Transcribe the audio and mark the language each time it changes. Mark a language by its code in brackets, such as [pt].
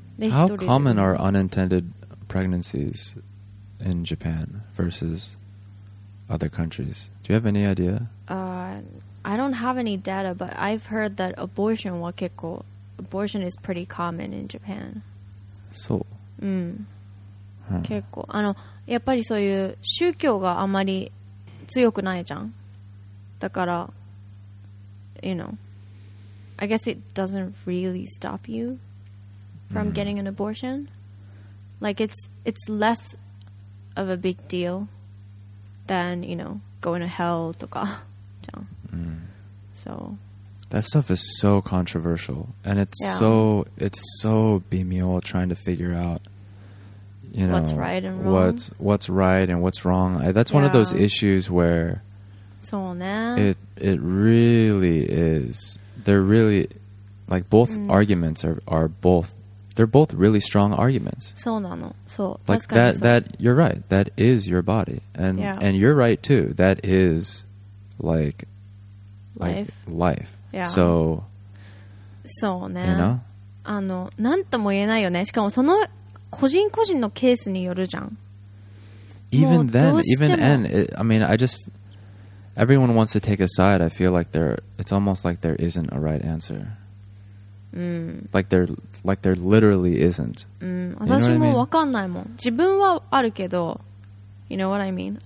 [en] How common are unintended pregnancies in Japan versus other countries? Do you have any idea? I don't have any data, but I've heard that abortion is pretty common in Japan. [ja] そう。結構。あの、やっぱりそういう宗教があまり強くないじゃん。だから、 [en] you know, I guess it doesn't really stop you. From getting an abortion, like it's less of a big deal than you know going to hell [ja] とか [en] So that stuff is so controversial, and it's so 微妙 trying to figure out you know what's right and wrong. What's right and what's wrong. That's one of those issues where [ja] そうね [en] it really is. They're really like both arguments are both. They're both really strong arguments. [ja] そうなの。そう。 [en] Like that, you're right. That is your body. And you're right too. That is like life. Yeah. So, [ja] そうね。 [en] You know? [ja] あの、なんとも言えないよね。しかもその個人個人のケースによるじゃん。 [en] Even then, even then, I mean, I just, everyone wants to take a side. I feel like there, it's almost like there isn't a right answer. Like there literally isn't. You know what I mean? You know what I mean?